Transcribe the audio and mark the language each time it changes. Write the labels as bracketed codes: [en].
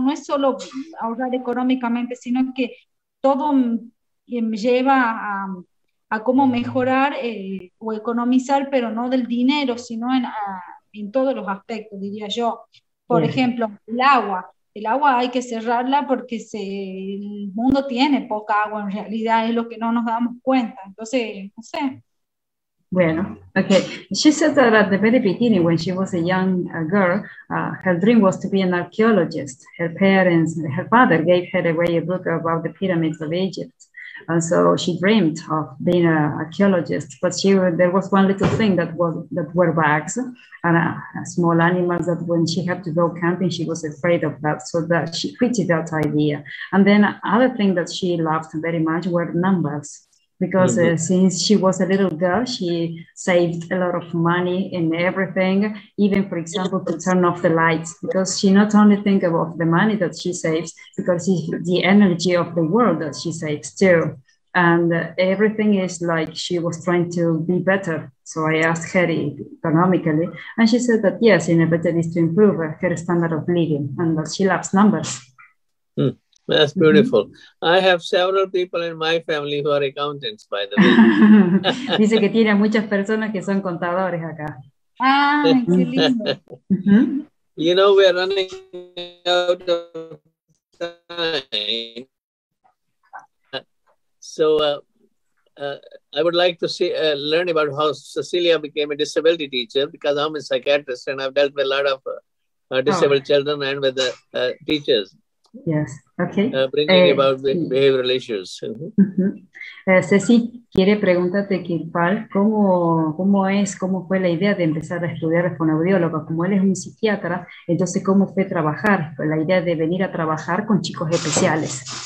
[es] No es solo ahorrar económicamente, sino que todo me lleva a cómo mejorar o economizar, pero no del dinero, sino en todos los aspectos, diría yo. Por Bien. Ejemplo, el agua. El agua hay que cerrarla porque el mundo tiene poca agua, en realidad es lo que no nos damos cuenta. Entonces, no sé. Bueno, okay. [en] She said that at the very beginning, when she was a young girl, her dream was to be an archaeologist. Her parents, her father gave her away a book about the pyramids of Egypt. And so she dreamed of being an archaeologist, but there was one little thing that were bugs and small animals that when she had to go camping, she was afraid of that, so that she quit that idea. And then other thing that she loved very much were numbers. Because since she was a little girl, she saved a lot of money in everything, even, for example, to turn off the lights, because she not only think about the money that she saves, because it's the energy of the world that she saves too. And everything is like she was trying to be better. So I asked her economically, and she said that, yes, in a better way to improve her standard of living, and that she loves numbers. Mm. That's beautiful. Mm-hmm. I have several people in my family who are accountants, by the way. [es] Dice que tiene muchas personas que son contadores acá. Ah, qué lindo. [en] You know, we are running out of time. So I would like to learn about how Cecilia became a disability teacher, because I'm a psychiatrist and I've dealt with a lot of disabled children and with the teachers. Yes, okay. Bringing about behavioral issues. [es] Ceci, quiere preguntarte que Paul, ¿cómo fue la idea de empezar a estudiar fonoaudiólogo? Como él es un psiquiatra, entonces, ¿cómo fue trabajar? La idea de venir a trabajar con chicos especiales.